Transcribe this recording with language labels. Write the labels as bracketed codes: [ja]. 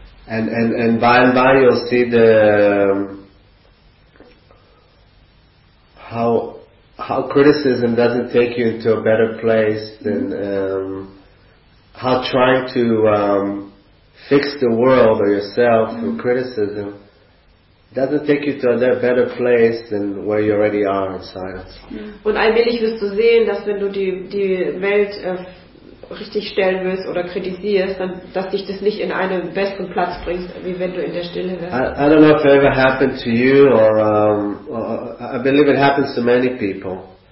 [en] And by and by you'll see the how criticism doesn't take you into a better place than how trying to fix the world or yourself through criticism doesn't take you to a better place than where you already are in silence. [de] Und allmählich wirst du sehen, dass wenn du die Welt richtig stellen willst oder kritisierst, dann dass dich das nicht in einen besseren Platz bringt, wie wenn du in der Stille wirst. [en] I don't know if it ever happened to you or I believe it happens to many people.